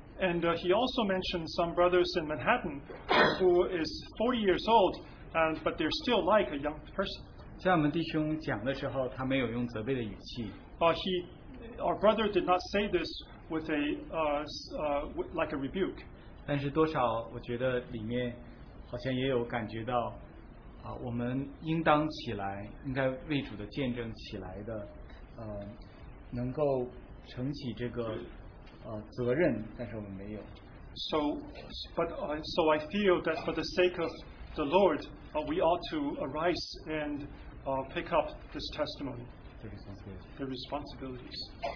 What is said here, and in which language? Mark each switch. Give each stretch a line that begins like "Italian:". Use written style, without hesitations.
English: And he also mentioned some brothers in Manhattan who is 40 years old, but they're still like a young person.
Chinese: 像我们弟兄讲的时候,他没有用责备的语气。
English: Our brother did not say this with a like a rebuke.
Chinese: 但是多少我觉得里面好像也有感觉到 我们应当起来 应该为主的见证起来的 能够承起这个 责任 但是我们没有
English: So I feel that for the sake of the Lord we ought to arise and pick up this testimony the responsibilities